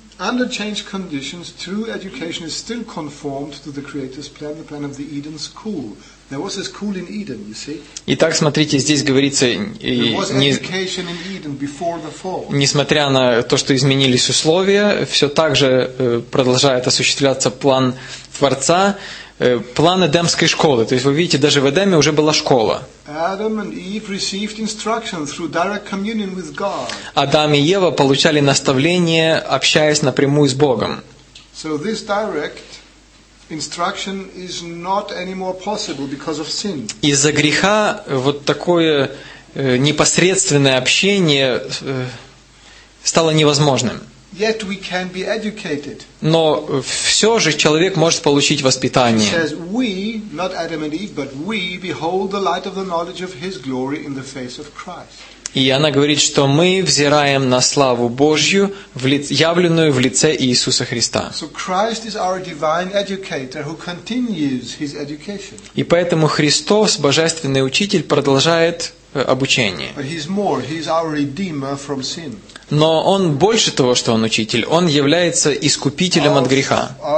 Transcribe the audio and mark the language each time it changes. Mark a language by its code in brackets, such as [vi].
[en] Under changed conditions, true education is still conformed to the Creator's plan, the plan of the Eden School. There was a school in Eden, you see. [ru] Итак, смотрите, здесь говорится, несмотря на то, что изменились условия, все так же продолжает осуществляться план Творца, план Эдемской школы. То есть вы видите, даже в Эдеме уже была школа. [en] Adam and Eve received instruction through direct communion with God. [ru] Адам и Ева получали наставление, общаясь напрямую с Богом. [en] So this direct instruction is not anymore possible because of sin. [ru] Из-за греха вот такое непосредственное общение стало невозможным. [en] Yet we can be educated. [ru] Но все же человек может получить воспитание. [en] He says, "We, not Adam and Eve, but we behold the light of the knowledge of His glory in the face of Christ." [ru] И она говорит, что мы взираем на славу Божью, явленную в лице Иисуса Христа. [en] So Christ is our divine educator who continues His education. [ru] И поэтому Христос, божественный учитель, продолжает обучение. [en] But He's more. He's our redeemer from sin. [ru] Но он больше того, что он учитель, он является искупителем от греха.